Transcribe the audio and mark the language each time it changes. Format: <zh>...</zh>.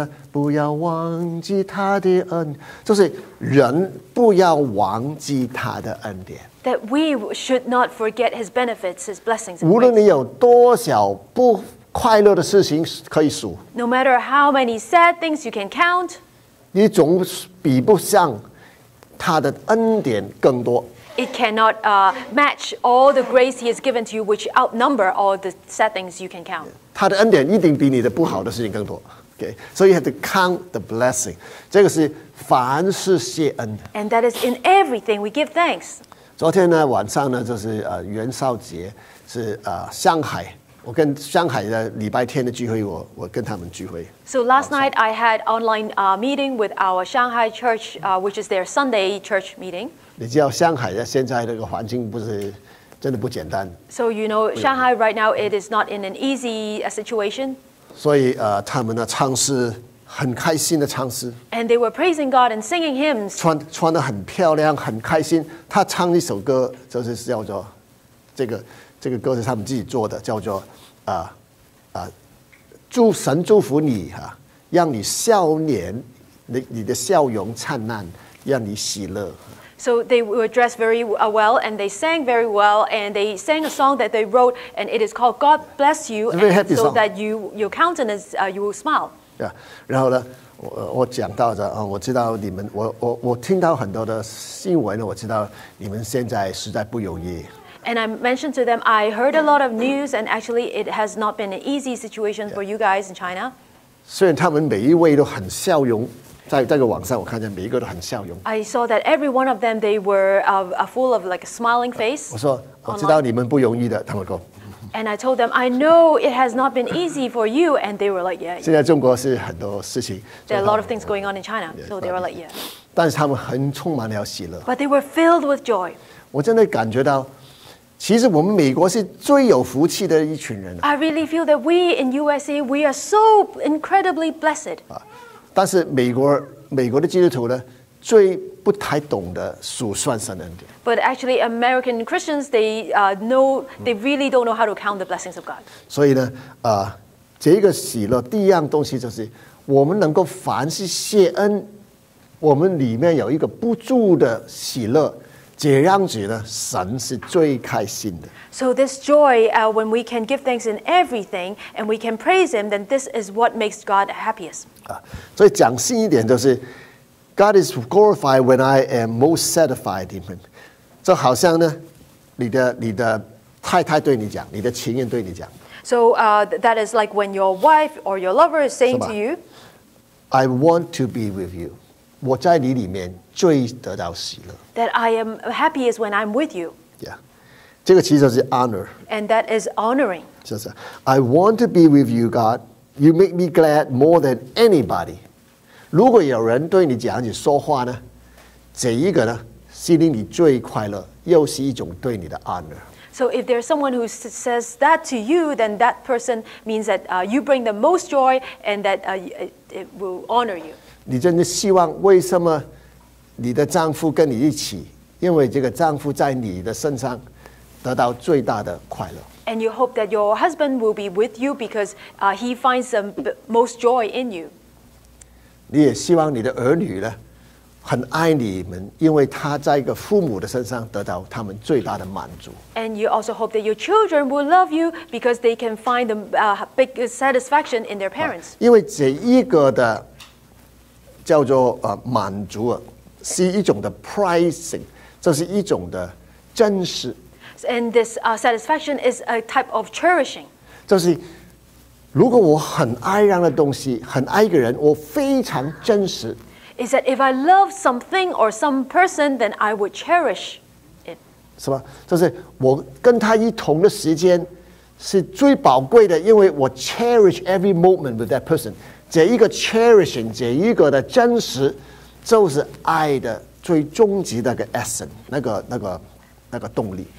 <zh>不要忘记他的恩，就是人不要忘记他的恩典。</zh> <en>That we should not forget his benefits, his blessings.</en> <zh>无论你有多少不快乐的事情可以数</zh> <en>，No matter how many sad things you can count,</en> <zh>你总比不上他的恩典更多。</zh> <en>It cannot match all the grace he has given to you, which outnumber all the sad things you can count.</en> <zh>他的恩典一定比你的不好的事情更多。</zh> <en>Okay, so you have to count the blessing.</en> <zh>这个是凡事谢恩。</zh> <en>And that is in everything we give thanks.</en> <zh>昨天呢晚上呢就是元宵节是上海。我跟上海的礼拜天的聚会我跟他们聚会。</zh> <en>So last night I had online meeting with our Shanghai church, which is their Sunday church meeting.</en> <zh>你知道上海的现在这个环境不是真的不简单。</zh> <en>So you know, Shanghai right now, it is not in an easy situation.</en> <zh>所以他们的唱诗很开心的唱诗</zh> <en>And they were praising God and singing hymns</en> <zh>穿得很漂亮很开心他唱一首歌就是叫做这个歌是他们自己做的叫做祝神祝福你、啊、让你笑脸 你的笑容灿烂让你喜乐</zh> <en>So they were dressed very well and they sang very well and they sang a song that they wrote and it is called God Bless You very happy so that your countenance you will smile. Yeah.</en> <zh>然后呢 我讲到的、哦、我知道你们 我听到很多的新闻我知道你们现在实在不容易</zh> <en>And I mentioned to them I heard a lot of news and actually it has not been an easy situation for you guys in China.</en> <zh>虽然他们每一位都很笑容在这个网上，我看见每一个都很笑容。</zh> <en>I saw that every one of them, they were full of like a smiling face.</en> <zh>我说我知道你们不容易的，他们说。</zh> <en>And I told them, I know it has not been easy for you, and they were like, yeah.</en> <zh>现在中国是很多事情。</zh> <en>There are a lot of things going on in China, so they were like, yeah.</en> <zh>但是他们很充满了喜乐。</zh> <en>But they were filled with joy.</en> <zh>我真的感觉到其实我们美国是最有福气的一群人。</zh> <en>I really feel that we in USA, we are so incredibly blessed.</en> <zh>但是美国的基督徒呢最不太懂得数算神的恩典。</zh> <en>But actually, American Christians, they really don't know how to count the blessings of God.</en> <zh>所以呢这个喜乐第一样东西就是我们能够凡事谢恩，我们里面有一个不住的喜乐，这样子呢神是最开心的。</zh> <en>So this joy, when we can give thanks in everything, and we can praise him, then this is what makes God happiest.</en> <zh>所以讲信一点就是</zh> <en>God is glorified when I am most satisfied in him.</en> <zh>就好像呢你的太太对你讲，你的情人对你讲。</zh> <en>So that is like when your wife or your lover is saying to you, I want to be with you.</en> <zh>我在你里面最得到喜乐。</zh> <en>That I am happiest when I'm with you.</en> <zh>Yeah. 这个其实是 honor.</zh> <en>And that is honoring.</en> <zh>就是</zh> <en>I want to be with you, God. You make me glad more than anybody.</en> <zh>如果有人对你讲起说话呢，这一个呢，是令你最快乐，又是一种对你的 honor。</zh> <en>So if there's someone who says that to you, then that person means that you bring the most joy and that it will honor you.</en> <zh>你真的希望为什么你的丈夫跟你一起，因为这个丈夫在你的身上得到最大的快乐。</zh> <en>And you hope that your husband will be with you because he finds the most joy in you.</en> <zh>你也希望你的儿女呢很爱你们，因为他在一个父母的身上得到他们最大的满足。</zh> <en>And you also hope that your children will love you because they can find the biggest satisfaction in their parents.</en> <zh>因为这一个的叫做满足，是一种的 pricing， 这是一种的珍视。</zh> <en>And this satisfaction is a type of cherishing.</en> <zh>就是如果我很爱一样的东西，很爱一个人，我非常珍视。</zh> <en>Is that if I love something or some person, then I would cherish it.</en> <zh>是吧？就是我跟他一同的时间是最宝贵的，因为我</zh> <en>cherish every moment with that person.</en> <zh>这一个 cherishing, 这一个的真实，就是爱的最终极的那个 essence, 那个动力。</zh>